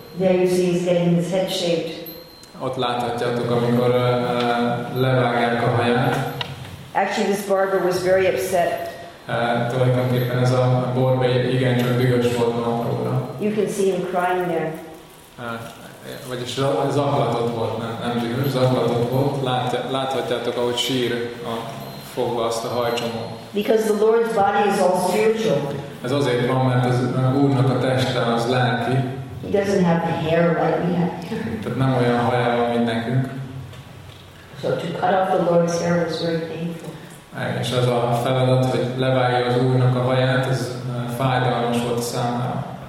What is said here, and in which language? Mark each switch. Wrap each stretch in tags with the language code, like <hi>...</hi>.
<en>There you see he's getting his head shaped.</en> <hu>Ott láthatjátok, amikor levágják a haját.</hu> <en>Actually, this barber was very upset.</en> <hu>Tulajdonképpen ez a barber igencsak dühös volt Mahaprabhura.</hu> <en>You can see him crying there.</en> <hu>Vagyis zaklatott volt, nem dühös, zaklatott volt. Láthatjátok, ahogy sír a fogva azt a hajcsomót.</hu> <en>Because the Lord's body is all spiritual.</en> <hu>Ez azért van, mert az Úrnak a teste az lelki.</hu> <en>He doesn't have the hair like we have.</en> <hu>Tehát nem olyan haja van, mint nekünk.</hu> <en>So to cut off the Lord's hair was very painful.</en> <hu>És az a feladat, hogy levágja az Úrnak a haját, ez fájdalmas volt a számára.</hu>